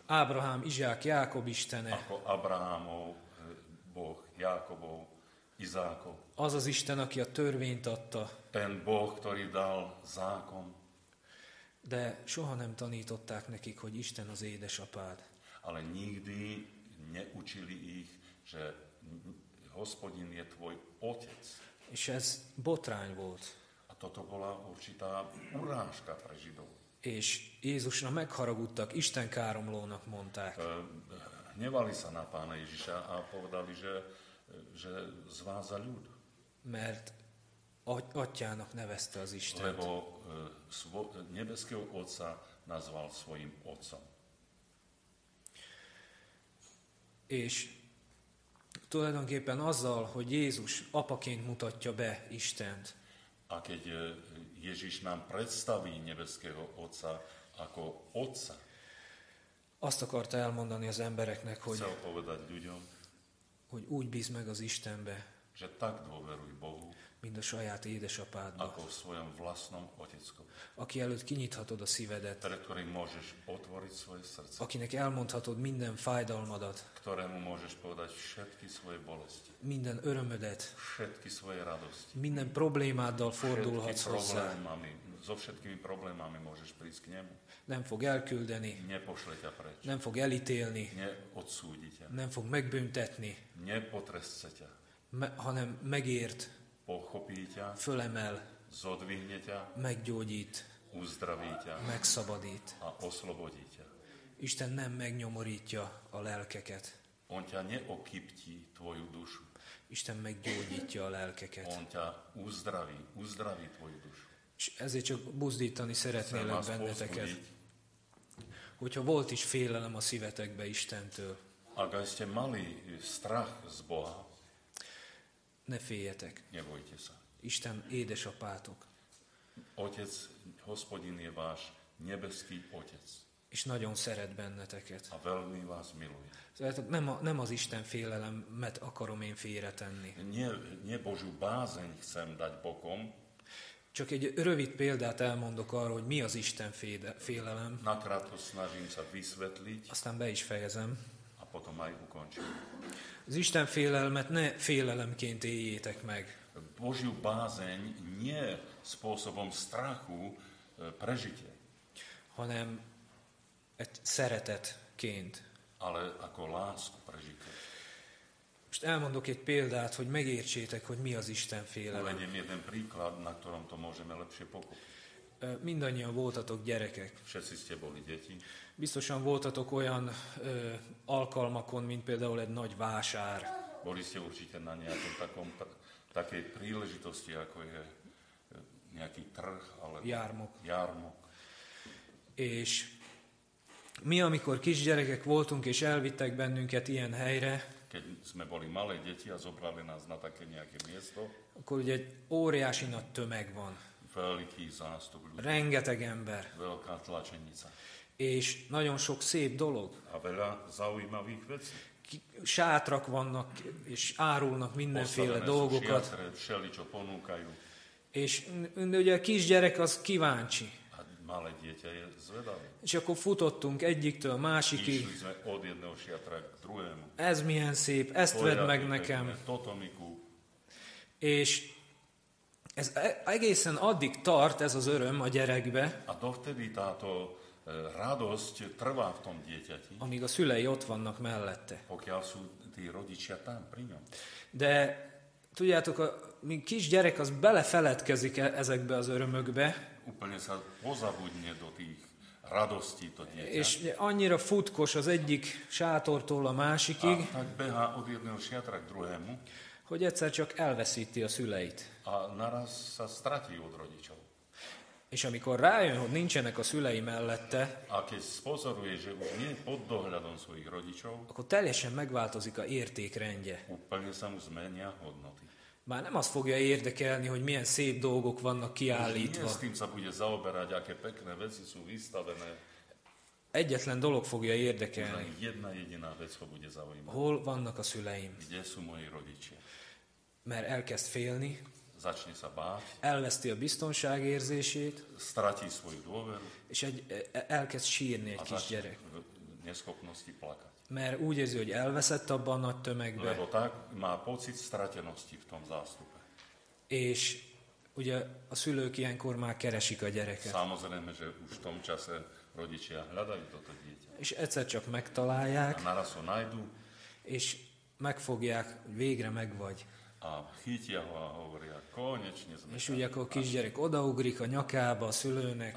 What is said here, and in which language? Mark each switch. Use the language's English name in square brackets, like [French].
[Hungarian] Ábrahám, Izsák, Jákob istene, [Slovak] ako Abrahámov Boh, Jákobov, Izákov, [Hungarian] az az Isten, aki a törvényt adta, [Slovak] ten Boh, ktorý dal zákon, [Hungarian] de soha nem tanították nekik, hogy Isten az édesapád, [Slovak] ale nikdy neučili ich, že Hospodin je tvoj otec, [Hungarian] és ez botrány volt. [Slovak] Toto bola určitá urážka pre Židov. [Hungarian] És Jézusra megharagudtak, Isten káromlónak mondták. [Slovak] Hnevali sa na Pána Ježiša a povedali, že zváza ľud. [Hungarian] Mert atyának nevezte az Istent. [Slovak] Lebo nebeského otca nazval svojim otcom. [Hungarian] És tulajdonképpen azzal, hogy Jézus apaként mutatja be Istent, [Slovak] a keď Ježiš nám predstaví nebeského Otca ako Otca, [Hungarian] azt akarta elmondani az embereknek, hogy [Slovak] chcel povedať ľuďom, [Hungarian] hogy úgy bízd meg az Istenbe, [Slovak] že tak dôveruj Bohu, [Hungarian] mint a saját édesapádba, [Slovak] ako v svojom vlastnom oteckom, [Hungarian] aki előtt kinyithatod a szívedet, [Slovak] pre ktorým môžeš otvoriť svoje srdce, [Hungarian] akinek elmondhatod minden fájdalmadat, [Slovak] ktorému môžeš povedať všetky svoje bolesti, [Hungarian] minden örömödet, [Slovak] všetky svoje radosti, [Hungarian] minden problémáddal fordulhatsz hozzá, [Slovak] so všetkými problémami môžeš prísť k nemu, [Hungarian] nem fog elküldeni, [Slovak] nepošle ťa preč, [Hungarian] nem fog elítélni, [Slovak] neodsúdi ťa, [Hungarian] nem fog megbüntetni, [Slovak] nepotrestce ťa, [Hungarian] hanem megért, [Slovak] pochopí ťa, [Hungarian] fölemel, [Slovak] zodvihne ťa, [Hungarian] meggyógyít, [Slovak] uzdraví ťa, [Hungarian] megszabadít, [Slovak] a oslobodí ťa. [Hungarian] Isten nem megnyomorítja a lelkeket. [Slovak] On ťa neokyptí tvoju dušu. [Hungarian] Isten meggyógyítja a lelkeket. [Slovak] On ťa uzdraví, uzdraví tvoju dušu. [Hungarian] És ezért csak buzdítani szeretnélek benneteket. Hogyha volt is félelem a szívetekbe Istentől. [Slovak] Ak aj ste mali strach z Boha, [Hungarian] ne féljetek. [Slovak] Ne bojte sa. [Hungarian] Isten édesapátok. [Slovak] Otec, Hospodin je váš nebeský otec. [Hungarian] És nagyon szeret benneteket. [Slovak] A veľmi vás miluje. [Hungarian] Szeretek, nem az Isten félelemet akarom én félretenni. [Slovak] Ne Božiu bázeň chcem dať bokom. [Hungarian] Csak egy rövid példát elmondok arra, hogy mi az Isten félelem. [Slovak] Nakrátko snažím sa vysvetliť. [Hungarian] Aztán be is fejezem. [Slovak] A potom aj ukončím. [Hungarian] Az Isten félelmet ne félelemként éljétek meg. [Slovak] Božiu bázeň nie spôsobom strachu prežite. [Hungarian] Hanem egy szeretetként. [Slovak] Ale ako lásku prežite. [Hungarian] Most elmondok egy példát, hogy megértsétek, hogy mi az Isten félelem. [Slovak] Uvediem jeden príklad, na ktorom to môžeme lepšie pokúpiť. [Hungarian] Mindannyian voltatok gyerekek. [Slovak] Všetci ste boli deti. [Hungarian] Biztosan voltatok olyan alkalmakon, mint például egy nagy vásár. [Slovak] Boli ste určite na nejakom takej príležitosti, ako je nejaký trh, alebo jármok. [Hungarian] És mi, amikor kisgyerekek voltunk, és elvittek bennünket ilyen helyre, [Slovak] keď sme boli malé deti a zobrali nás na také nejaké miesto, [Hungarian] akkor ugye egy óriási nagy tömeg van. [Slovak] Veľký zástup ľudí. [Hungarian] Rengeteg ember. [Slovak] Veľká tlačenica. [Hungarian] És nagyon sok szép dolog. [Slovak] A veľa zaujímavých vecí. [Hungarian] Sátrak vannak, és árulnak mindenféle [Slovak] osadené [Hungarian] dolgokat. [Slovak] Osadené sú šiatre, všeličo ponúkajú. [Hungarian] És ugye a kisgyerek az kíváncsi. [Slovak] A malé dieťa je zvedavé. [Hungarian] És akkor futottunk egyiktől másikig. [Slovak] Išli sme od jedného šiatra k druhému. [Hungarian] Ez milyen szép, ezt vedd meg nekem. [Slovak] Toto mi kúp. [Hungarian] És ez egészen addig tart ez az öröm a gyerekbe. [Slovak] A dovtedy táto radosť trvá v tom dieťati. [Hungarian] Amíg a szülei ott vannak mellette. [Slovak] Pokiaľ sú tí rodičia tam pri ňom. [Hungarian] De tudjátok, a mi kis gyerek az belefeledkezik ezekbe az örömökbe. [Slovak] Úplne sa pozabudne do tých radostí to dieťa. [Hungarian] És annyira futkos az egyik sátortól a másikig. [Slovak] A tak behá od jedného šiatra k druhému. [Hungarian] Hogy egyszer csak elveszíti a szüleit. [Slovak] A naraz sa stratí od rodičov. [Hungarian] És amikor rájön, hogy nincsenek a szülei mellette, [Slovak] a keď spozoruje, že už nie pod dohľadom svojich rodičov, [Hungarian] akkor teljesen megváltozik a értékrendje. [Slovak] Úplne sa mu zmenia hodnoty. [Hungarian] Már nem azt fogja érdekelni, hogy milyen szép dolgok vannak kiállítva. [Slovak] Už nie s tým sa bude zaoberať, aké pekné veci sú vystavené. [Hungarian] Egyetlen dolog fogja érdekelni. [Slovak] Jedna jediná vec ho bude zaujímať. [Hungarian] Hol vannak a szüleim? [Slovak] Kde sú moji rodičia? [Hungarian] Mert elkezd félni. [Slovak] Začne sa báť. [Hungarian] Elveszti a biztonságérzését. [Slovak] Stratí svoju dôveru. [Hungarian] És elkezd sírni egy kis gyerek. [Slovak] A začne neschopnosti plakať. [Hungarian] Mert úgy érzi, hogy elveszett abban a nagy tömegben. [Slovak] Lebo tak má pocit stratenosti v tom zástupe. [Hungarian] És ugye a szülők ilyenkor már keresik a gyereket. [Slovak] Samozrejme, že už v tom čase rodičia hľadajú toto dieťa. [Hungarian] És egyszer csak megtalálják. [Slovak] A naraz ho nájdu. [Hungarian] És megfogják, végre megvagy. [Slovak] A chytia ho a hovoria, konečne sme. [Hungarian] És úgy ako kisgyerek odaugrik a nyakába a szülőnek.